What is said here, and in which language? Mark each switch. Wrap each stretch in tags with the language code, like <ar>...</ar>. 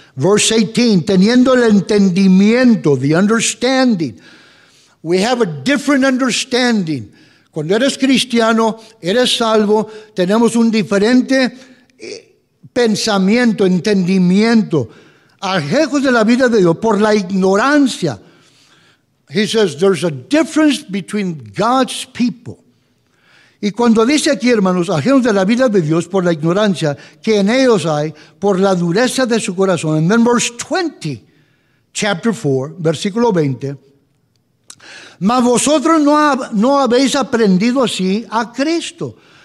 <es>Verse 18, teniendo el entendimiento,</es> <en>the understanding. We have a different understanding.</en> <es>Cuando eres cristiano, eres salvo, tenemos un diferente pensamiento, entendimiento. Ajejos de la vida de Dios por la ignorancia.</es> <en>He says there's a difference between God's people.</en> <es>Y cuando dice aquí, hermanos, ajenos de la vida de Dios por la ignorancia que en ellos hay, por la dureza de su corazón.</es> <en>And then verse 20, chapter 4,</en> <es>versículo 20. Mas vosotros no habéis aprendido así a Cristo.</es>